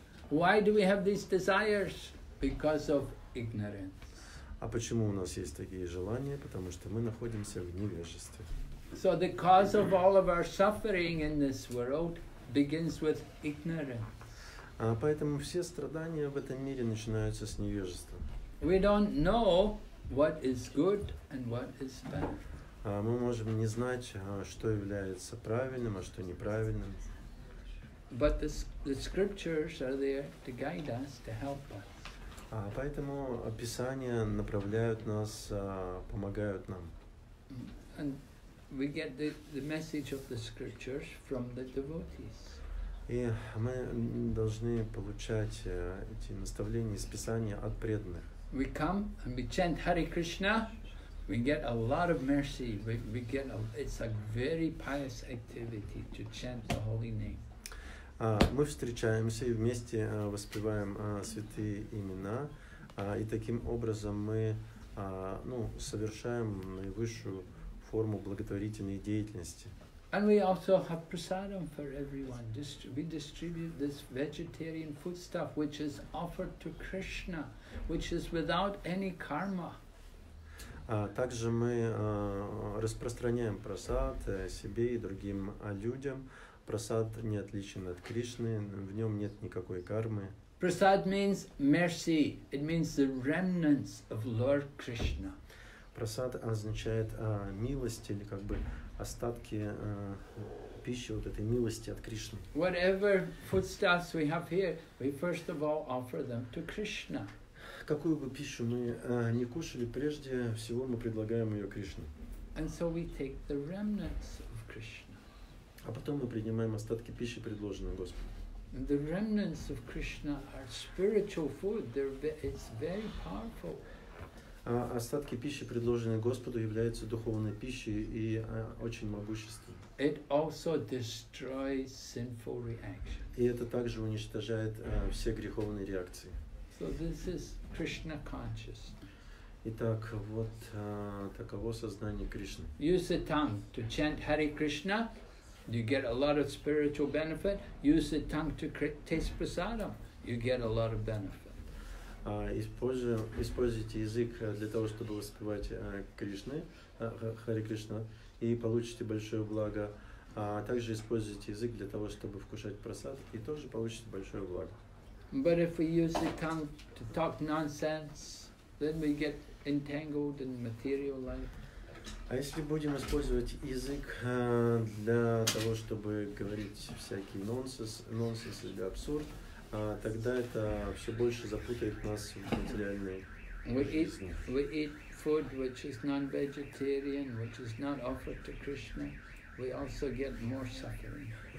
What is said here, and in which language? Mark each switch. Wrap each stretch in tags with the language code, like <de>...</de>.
<en>Why do we have these desires? Because of ignorance.</en> <ru>А почему у нас есть такие желания? Потому что мы находимся в невежестве.</ru> <en>So the cause of all of our suffering in this world begins with ignorance.</en> <ru>А поэтому все страдания в этом мире начинаются с невежества.</ru> <en>We don't know what is good and what is bad.</en> <ru>А мы можем не знать, что является правильным, а что неправильным.</ru> <en>But the scriptures are there to guide us, to help us.</en> <ru>А поэтому Писания направляют нас, помогают нам.</ru> <en>And we get the message of the scriptures from the devotees.</en> <ru>И мы должны получать эти наставления из Писания от преданных.</ru> <en>We come and we chant Hare Krishna. We get a lot of mercy. It's a very pious activity to chant the holy name.</en> <ru>Мы встречаемся и вместе воспеваем святые имена, и таким образом мы, ну, совершаем наивысшую форму благотворительной деятельности.</ru> <en>And we also have prasadam for everyone. We distribute this vegetarian foodstuff, which is offered to Krishna, which is without any karma.</en> <ru>Также мы распространяем прасад себе и другим людям. Прасад не отличен от Кришны, в нем нет никакой кармы.</ru> <en>Прасад means mercy. It means the remnants of Lord Krishna.</en> <ru>Прасад означает милость или как бы остатки пищи вот этой милости от Кришны.</ru> <en>Whatever foodstuffs we have here, we first of all offer them to Krishna.</en> <ru>Какую бы пищу мы не кушали, прежде всего мы предлагаем ее Кришне.</ru> <en>And so we take the remnants of Krishna.</en> <ru>А потом мы принимаем остатки пищи, предложенной Господом.</ru> <en>The remnants of Krishna are spiritual food. It's very powerful.</en> <ru>Остатки пищи, предложенные Господу, являются духовной пищей и очень могущественной.</ru> <en>It also destroys sinful reactions.</en> <ru>И это также уничтожает все греховные реакции.</ru> <en>So this is Krishna consciousness.</en> <ru>Итак, вот таково сознание Кришны.</ru> <en>Use the tongue to chant Hare Krishna. You get a lot of spiritual benefit. Use the tongue to taste prasadam. You get a lot of benefit.</en> <ru>используйте язык для того, чтобы воспевать Кришны, Хари Кришна, и получите большое благо. Также используйте язык для того, чтобы вкушать просад, и тоже получите большое благо.</ru> <en>But if we use the tongue to talk nonsense, then we get entangled in material life.</en> <ru>А если будем использовать язык для того, чтобы говорить всякий нонсенс или абсурд, тогда это все больше запутает нас в материальной жизни.</ru> <en>We eat food which is non-vegetarian, which is not offered to Krishna, we also get more suffering.</en>